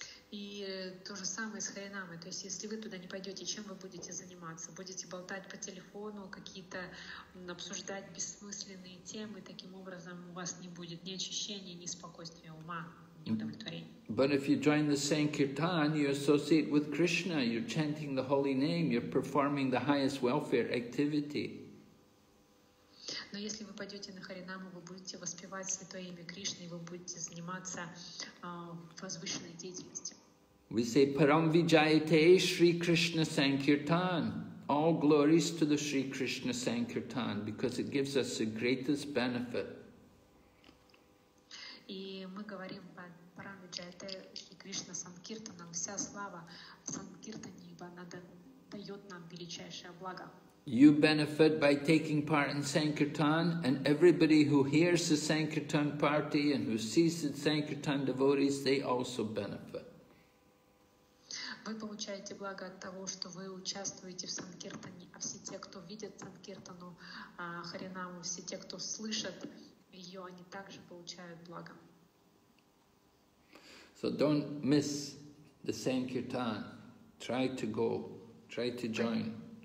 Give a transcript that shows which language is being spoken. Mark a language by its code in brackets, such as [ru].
[ru] И то же самое с Харинамой. То есть, если вы туда не пойдете, чем вы будете заниматься? Будете болтать по телефону, какие-то обсуждать бессмысленные темы, таким образом у вас не будет ни очищения, ни спокойствия ума, ни удовлетворения. [en] But if you join the Sankirtan, you associate with Krishna, you're chanting the holy name, you're performing the highest welfare activity. [ru] Но если вы пойдете на Харинаму, вы будете воспевать святое имя Кришны, и вы будете заниматься возвышенной деятельностью. [en] We say [sa] Param Vijayate Shri Krishna Sankirtan. [en] All glories to the Shri Krishna Sankirtan, because it gives us the greatest benefit. [ru] И мы говорим [sa] Param Vijayate Shri Krishna Sankirtanam. [ru] Вся слава Санкиртане, ибо она дает нам величайшее благо. [en] You benefit by taking part in Sankirtan, and everybody who hears the Sankirtan party and who sees the Sankirtan devotees, they also benefit. [ru] Вы получаете благо от того, что вы участвуете в Санкиртане, а все те, кто видят Санкиртану, Харинаму, все те, кто слышат ее, они также получают благо. [en] So don't miss the Sankirtan. Try to go. Try to join.